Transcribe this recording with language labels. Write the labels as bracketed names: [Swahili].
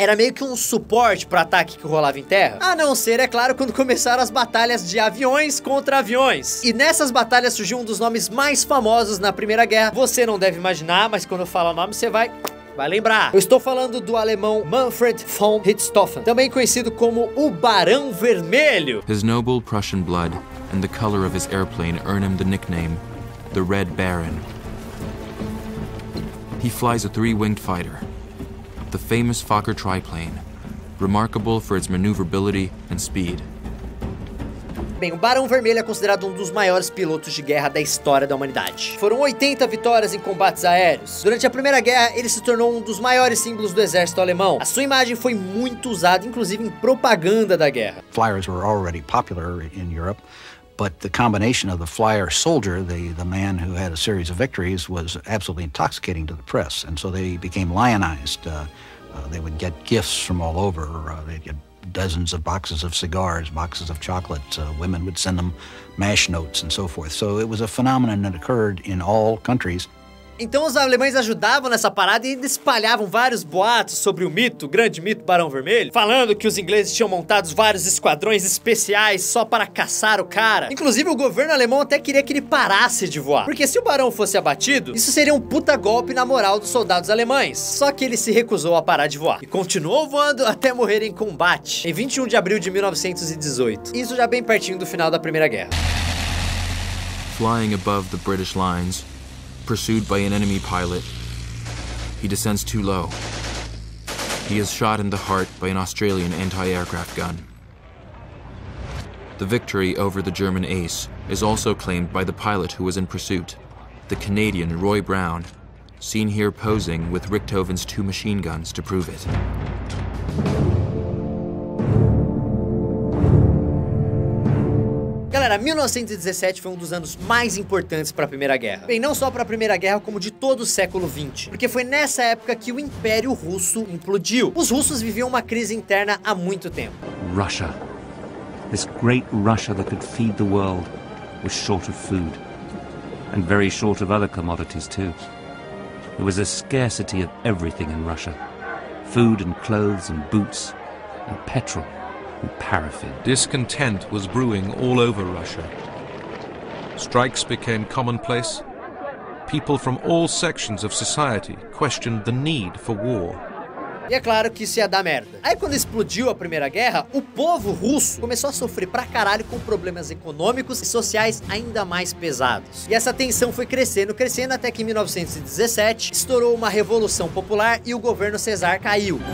[Portuguese] Era meio que um suporte para o ataque que rolava em terra. A não ser, é claro, quando começaram as batalhas de aviões contra aviões. E nessas batalhas surgiu um dos nomes mais famosos na Primeira Guerra. Você não deve imaginar, mas quando eu falo o nome, você vai... vai lembrar. Eu estou falando do alemão Manfred von Richthofen, também conhecido como o Barão Vermelho. [English] His noble Prussian blood and the color of his airplane earn him the nickname the Red Baron. He flies a three-winged fighter, the famous Fokker triplane, remarkable for its maneuverability and speed. [Portuguese] Bem, o Barão Vermelho é considerado um dos maiores pilotos de guerra da história da humanidade. Foram 80 vitórias em combates aéreos. Durante a Primeira Guerra, ele se tornou um dos maiores símbolos do exército alemão. A sua imagem foi muito usada, inclusive em propaganda da guerra. [English] Flyers were already popular in Europe, But the combination of the flyer soldier, the man who had a series of victories, was absolutely intoxicating to the press. And so they became lionized. They would get gifts from all over. They'd get dozens of boxes of cigars, boxes of chocolates. Women would send them mash notes and so forth. So it was a phenomenon that occurred in all countries. [Portuguese] Então os alemães ajudavam nessa parada e espalhavam vários boatos sobre o mito, o grande mito Barão Vermelho, falando que os ingleses tinham montado vários esquadrões especiais só para caçar o cara. Inclusive o governo alemão até queria que ele parasse de voar, porque se o barão fosse abatido, isso seria um puta golpe na moral dos soldados alemães. Só que ele se recusou a parar de voar e continuou voando até morrer em combate, em 21 de abril de 1918. Isso já bem pertinho do final da Primeira Guerra. [English] Flying above the British lines, pursued by an enemy pilot, he descends too low. He is shot in the heart by an Australian anti-aircraft gun. The victory over the German ace is also claimed by the pilot who was in pursuit, the Canadian Roy Brown, seen here posing with Richthofen's two machine guns to prove it. [Portuguese] Galera, 1917 foi um dos anos mais importantes para a Primeira Guerra. Bem, não só para a Primeira Guerra, como de todo o século XX. Porque foi nessa época que o Império Russo implodiu. Os russos viviam uma crise interna há muito tempo. [English] Russia. This great Russia that could feed the world was short of food. And very short of other commodities too. There was a scarcity of everything in Russia. Food and clothes and boots and petrol. Paraffin. Discontent was brewing all over Russia. Strikes became commonplace. People from all sections of society questioned the need for war. [Portuguese] E é claro que isso ia dar merda. Aí quando explodiu a Primeira Guerra, o povo russo começou a sofrer pra caralho com problemas econômicos e sociais ainda mais pesados. E essa tensão foi crescendo, crescendo, até que em 1917 estourou uma revolução popular e o governo czar caiu.